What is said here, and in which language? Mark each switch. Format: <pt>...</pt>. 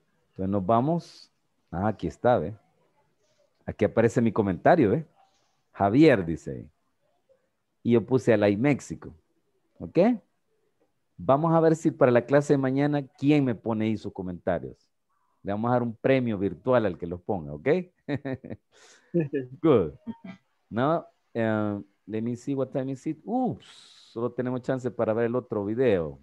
<es>Entonces nos vamos. Ah, aquí está, ¿ve? Aquí aparece mi comentario, ¿eh? Javier dice. Y yo puse a la México. ¿Ok? Vamos a ver si para la clase de mañana, ¿quién me pone ahí sus comentarios? Le vamos a dar un premio virtual al que los ponga, ¿ok?</es> <en>Good. Now, let me see what time is it.</en> <es>Oops, solo tenemos chance para ver el otro video.</es>